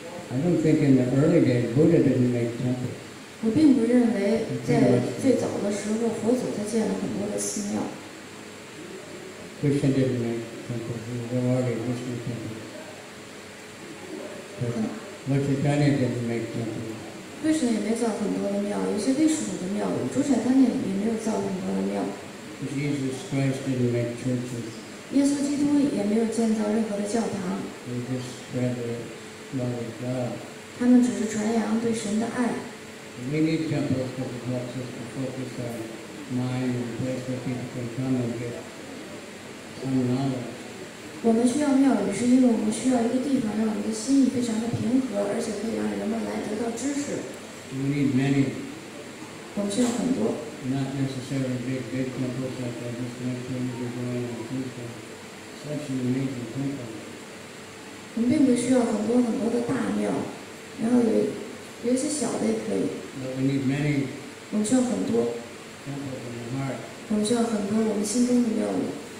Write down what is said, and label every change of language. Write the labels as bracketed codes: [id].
[en] I don't think in the early days Buddha didn't make temples. [zh] 我并不认为在最早的时候佛祖他建了很多的寺庙。 [en] Krishna didn't make temples. He was already Vishnu temple. But Chaitanya didn't make temples. Jesus Christ didn't make churches. He just spread the love of God. He spread the love of God. He just spread the love of God. We need temples because it helps us to focus our mind and place where people can come and get some knowledge. [zh] 我们需要庙宇，是因为我们需要一个地方，让我们的心意非常的平和，而且可以让人们来得到知识。 [en] We need many. [zh] 我们需要很多。 [en] Not necessarily big temples like that, just to make sure you're going to think of such an amazing temple. [zh] 我们并不需要很多很多的大庙，然后有一些小的也可以。 [en] But we need many. [zh] 我们需要很多。 [en] Temples in the heart. [zh] 我们需要很多我们心中的庙宇。